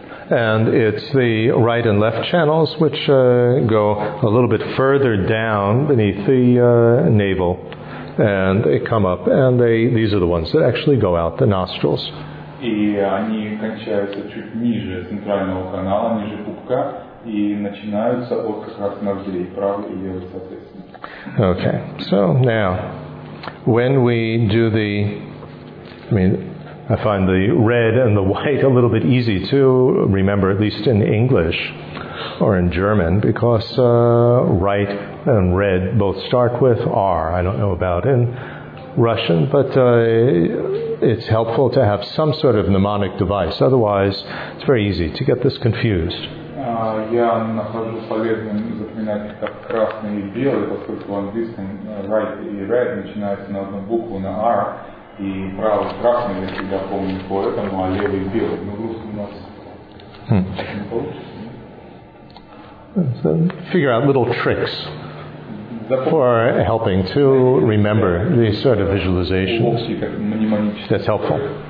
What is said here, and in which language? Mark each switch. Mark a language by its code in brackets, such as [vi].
[en] And it's the right and left channels which go a little bit further down beneath the navel. And they come up, and these are the ones that actually go out the nostrils. [ru] И они кончаются чуть ниже центрального канала, ниже пупка, и начинаются от как раз ноздрей, правый и левый, соответственно. [en] Okay, so now, when we do the, I mean, I find the red and the white a little bit easy to remember, at least in English or in German, because right and red both start with R. I don't know about in Russian, but it's helpful to have some sort of mnemonic device. Otherwise, it's very easy to get this confused. [ru] Я нахожу полезным запоминать как красный и белый, поскольку в английском right и red начинается на одну букву, на R, и правый красный, я всегда помню по этому, а левый белый. Но в русском у нас не получится. [en] So figure out little tricks for helping to remember these sort of visualizations. That's helpful.